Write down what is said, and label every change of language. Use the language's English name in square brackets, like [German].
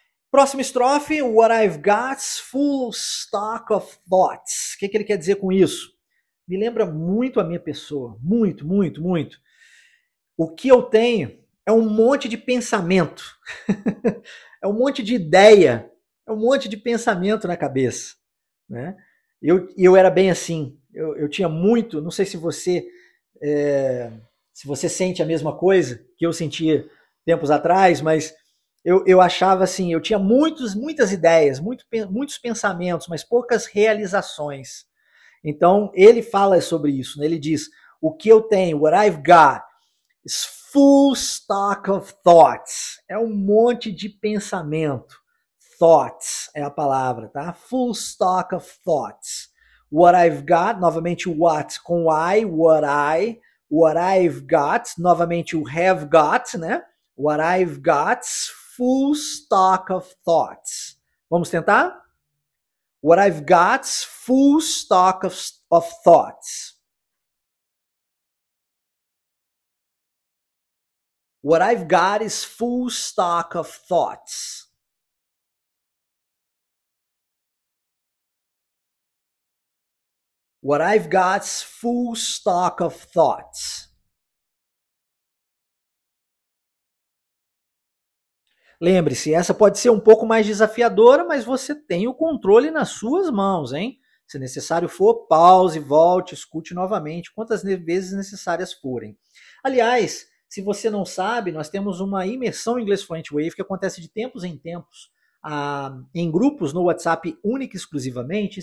[Portuguese] Próxima estrofe, [English] what I've got's full stock of thoughts. [Portuguese] O que ele quer dizer com isso? Me lembra muito a minha pessoa. Muito, muito, muito. O que eu tenho é um monte de pensamento, é um monte de ideia, é um monte de pensamento na cabeça. Né? Eu era bem assim, eu tinha muito, não sei se você, se você sente a mesma coisa que eu sentia tempos atrás, mas eu achava assim, eu tinha muitas ideias, muitos pensamentos, mas poucas realizações. Então ele fala sobre isso, né? Ele diz, o que eu tenho, [English] what I've got, it's full stock of thoughts. [Portuguese] É um monte de pensamento. [English] Thoughts [Portuguese] é a palavra, tá? [English] Full stock of thoughts. What I've got, [Portuguese] novamente o [English] what [Portuguese] com [English] I, what I. What I've got, [Portuguese] novamente o [English] have got, [Portuguese] né? [English] What I've got, full stock of thoughts. [Portuguese] Vamos tentar? [English] What I've got, full stock of thoughts. What I've got is full stock of thoughts. What I've got is full stock of thoughts. [Portuguese] Lembre-se, essa pode ser um pouco mais desafiadora, mas você tem o controle nas suas mãos, hein? Se necessário for, pause, volte, escute novamente, quantas vezes necessárias forem. Aliás, se você não sabe, nós temos uma imersão em inglês fluente Wave que acontece de tempos em tempos em grupos no WhatsApp único e exclusivamente.